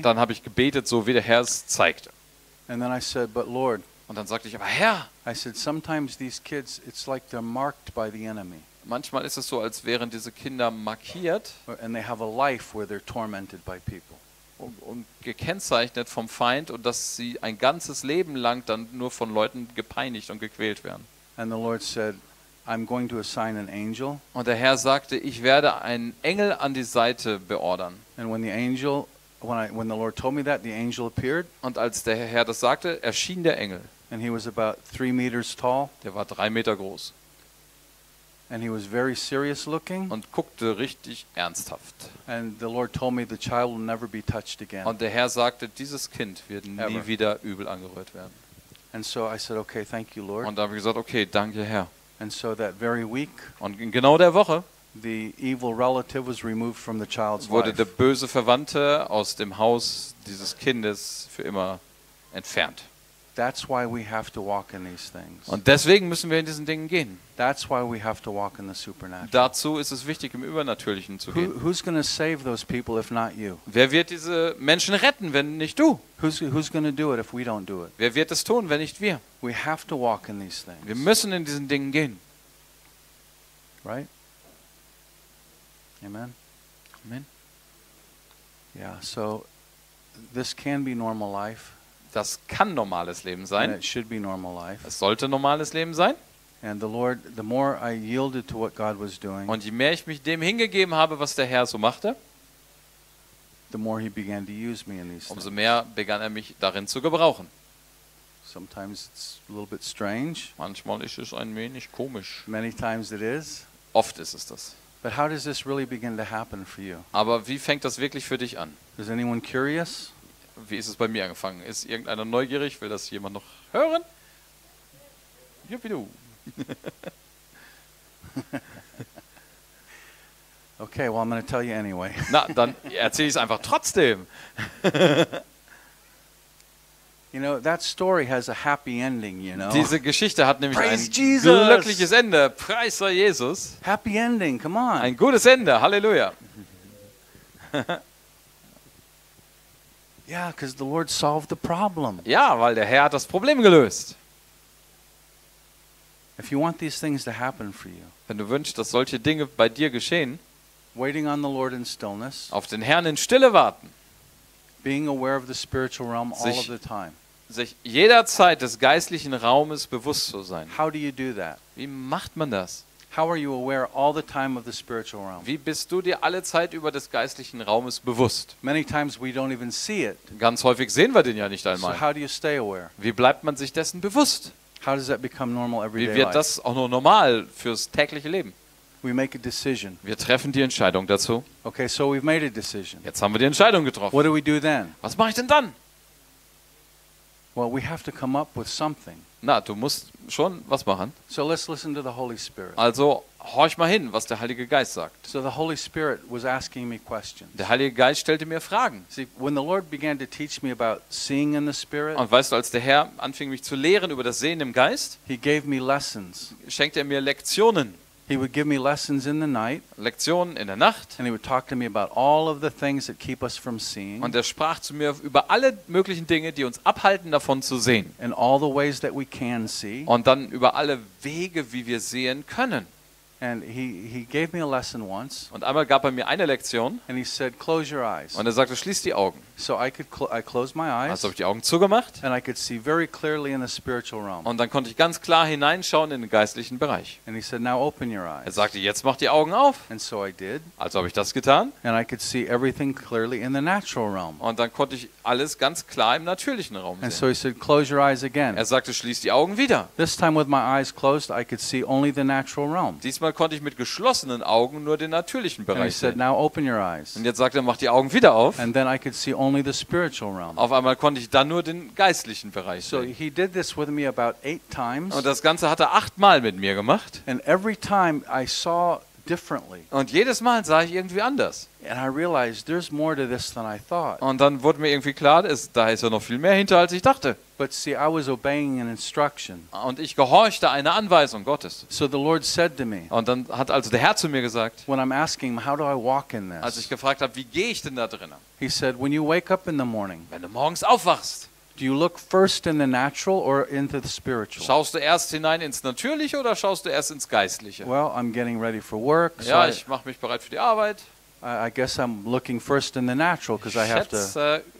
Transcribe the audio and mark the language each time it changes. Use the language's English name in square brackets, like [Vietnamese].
[German] Dann habe ich gebetet, so wie der Herr es zeigte. [English] And then I said, but Lord. [German] Und dann sagte ich, aber Herr. [English] I said, sometimes these kids, it's like they're marked by the enemy. [German] Manchmal ist es so, als wären diese Kinder markiert. [English] And they have a life where they're tormented by people. [German] Und gekennzeichnet vom Feind und dass sie ein ganzes Leben lang dann nur von Leuten gepeinigt und gequält werden. [English] And the Lord said, I'm going to assign an angel. [German] Und der Herr sagte, ich werde einen Engel an die Seite beordern. [English] And when the angel, when the Lord told me that, the angel appeared. [German] Und als der Herr das sagte, erschien der Engel. [English] And he was about 3 meters tall. [German] Der war 3 Meter groß. [English] And he was very serious looking. [German] Und guckte richtig ernsthaft. [English] And the Lord told me the child will never be touched again. [German] Und der Herr sagte, dieses Kind wird nie wieder übel angerührt werden. [English] And so I said, okay, thank you, Lord. [German] Und da habe ich gesagt, okay, danke, Herr. [English] And so that very week, [German] und in genau der Woche, [English] the evil relative was removed from the child's life. [German] Wurde der böse Verwandte aus dem Haus dieses Kindes für immer entfernt. [English] That's why we have to walk in these things. [German] Und deswegen müssen wir in diesen Dingen gehen. [English] That's why we have to walk in the supernatural. [German] Dazu ist es wichtig, im Übernatürlichen zu gehen. [English] Who's going to save those people if not you? [German] Wer wird diese Menschen retten, wenn nicht du? [English] Who's going to do it if we don't do it? [German] Wer wird es tun, wenn nicht wir? [English] We have to walk in these things. [German] Wir müssen in diesen Dingen gehen. [English] Right? Amen. [German] Amen. [English] Yeah, so this can be normal life. [German] Das kann normales Leben sein. [English] It should be normal life. [German] Es sollte normales Leben sein. [English] And the Lord, the more I yielded to what God was doing. [German] Und je mehr ich mich dem hingegeben habe, was der Herr so machte, [English] the more he began to use me in these things. [German] Umso mehr begann er mich darin zu gebrauchen. [English] Sometimes it's a little bit strange. [German] Manchmal ist es ein wenig komisch. [English] Many times it is. [German] Oft ist es das. [English] But how does this really begin to happen for you? [German] Aber wie fängt das wirklich für dich an? [English] Is anyone curious? [German] Wie ist es bei mir angefangen? Ist irgendeiner neugierig? Will das jemand noch hören? Juppidu. [English] Okay, well, I'm going to tell you anyway. [German] Na, dann erzähle ich es einfach trotzdem. [English] You know, that story has a happy ending, you know. [German] Diese Geschichte hat nämlich [English] Praise Jesus. [German] Glückliches Ende. Preis sei Jesus. [English] Happy ending, come on. [German] Ein gutes Ende. Halleluja. [English] Yeah, because the Lord solved the problem. [German] Ja, weil der Herr hat das Problem gelöst. [English] If you want these things to happen for you. [German] Wenn du wünschst, dass solche Dinge bei dir geschehen. [English] Waiting on the Lord in stillness. [German] Auf den Herrn in Stille warten. [English] Being aware of the spiritual realm all of the time. [German] Sich jederzeit des geistlichen Raumes bewusst zu sein. [English] How do you do that? [German] Wie macht man das? [English] How are you aware all the time of the spiritual realm? [German] Wie bist du dir alle Zeit über des geistlichen Raumes bewusst? [English] Many times we don't even see it. [German] Ganz häufig sehen wir den ja nicht einmal. [English] So how do you stay aware? [German] Wie bleibt man sich dessen bewusst? [English] How does that become normal everyday life? [German] Wie wird das auch nur normal fürs tägliche Leben? [English] We make a decision. [German] Wir treffen die Entscheidung dazu. [English] Okay, so we've made a decision. [German] Jetzt haben wir die Entscheidung getroffen. [English] What do we do then? [German] Was mache ich denn dann? [English] Well, we have to come up with something. [German] Na, du musst schon was machen. [English] So let's listen to the Holy Spirit. [German] Also horch mal hin, was der Heilige Geist sagt. [English] So the Holy Spirit was asking me questions. [German] Der Heilige Geist stellte mir Fragen. [English] See, when the Lord began to teach me about seeing in the Spirit. [German] Und weißt du, als der Herr anfing mich zu lehren über das Sehen im Geist, [English] he gave me lessons. [German] Schenkte er mir Lektionen. [English] He would give me lessons in the night. [German] Lektionen in der Nacht. [English] And he would talk to me about all of the things that keep us from seeing. [German] Und er sprach zu mir über alle möglichen Dinge, die uns abhalten davon zu sehen. [English] And all the ways that we can see. [German] Und dann über alle Wege, wie wir sehen können. [English] And he gave me a lesson once. [German] Und einmal gab er mir eine Lektion. [English] And he said, close your eyes. [German] Und er sagte, schließ die Augen. [English] So I closed my eyes. [German] Also habe ich die Augen zugemacht. [English] And I could see very clearly in the spiritual realm. [German] Und dann konnte ich ganz klar hineinschauen in den geistlichen Bereich. [English] And he said, now open your eyes. [German] Er sagte, jetzt mach die Augen auf. [English] And so I did. [German] Also habe ich das getan. [English] And I could see everything clearly in the natural realm. [German] Und dann konnte ich alles ganz klar im natürlichen Raum sehen. [English] And so he said, close your eyes again. [German] Er sagte, schließ die Augen wieder. [English] This time with my eyes closed, I could see only the natural realm. [German] Diesmal konnte ich mit geschlossenen Augen nur den natürlichen Bereich sehen. [English] And he said, now open your eyes. [German] Und jetzt sagte er, mach die Augen wieder auf. [English] And then I could see only the spiritual realm. [German] Auf einmal konnte ich dann nur den geistlichen Bereich sehen. [English] So he did this with me about 8 times. [German] Und das Ganze hat er 8-mal mit mir gemacht. [English] And every time I saw differently. [German] Und jedes Mal sah ich irgendwie anders. [English] And I realized there's more to this than I thought. [German] Und dann wurde mir irgendwie klar, da ist ja noch viel mehr hinter, als ich dachte. [English] But see, I was obeying an instruction. [German] Und ich gehorchte einer Anweisung Gottes. [English] So the Lord said to me. [German] Und dann hat also der Herr zu mir gesagt. [English] When I'm asking him, how do I walk in this? [German] Als ich gefragt habe, wie gehe ich denn da drinnen? [English] He said, when you wake up in the morning. [German] Wenn du morgens aufwachst. [English] Do you look first in the natural or into the spiritual? [German] Schaust du erst hinein ins Natürliche oder schaust du erst ins Geistliche? [English] Well, I'm getting ready for work. [German] Ja, so ich mache mich bereit für die Arbeit. [English] I guess I'm looking first in the natural because I have to.